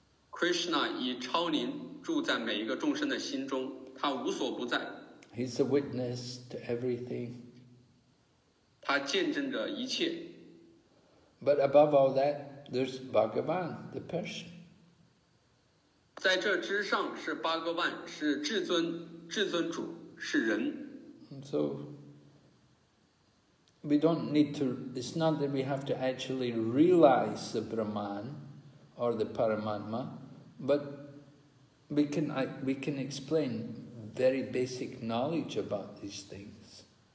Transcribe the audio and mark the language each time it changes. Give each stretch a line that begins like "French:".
Chinese: Krishna 以超灵住在每一个众生的心中，他无所不在。
English: He's a witness to everything.
Chinese: 他见证着一切。
English: But above all that, there's Bhagavan, the person.
Chinese: 在这之上是巴格万，是至尊主，是人。
English: So, we don't need to, it's not that we have to actually realize the Brahman or the Paramatma, but we can explain. Very basic knowledge about these things.